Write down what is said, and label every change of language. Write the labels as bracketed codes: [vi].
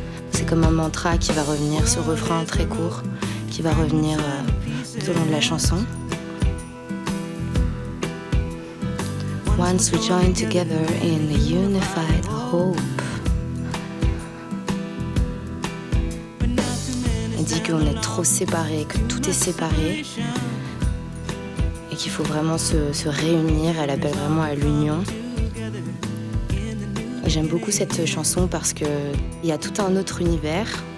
[fr] C'est comme un mantra qui va revenir, ce refrain très court, qui va revenir tout au long de la chanson. [en] Once we join together in a unified hope. [fr] Il dit qu'on est trop séparés, que tout est séparé, et qu'il faut vraiment se réunir. Elle appelle vraiment à l'union. J'aime beaucoup cette chanson parce qu'il y a tout un autre univers.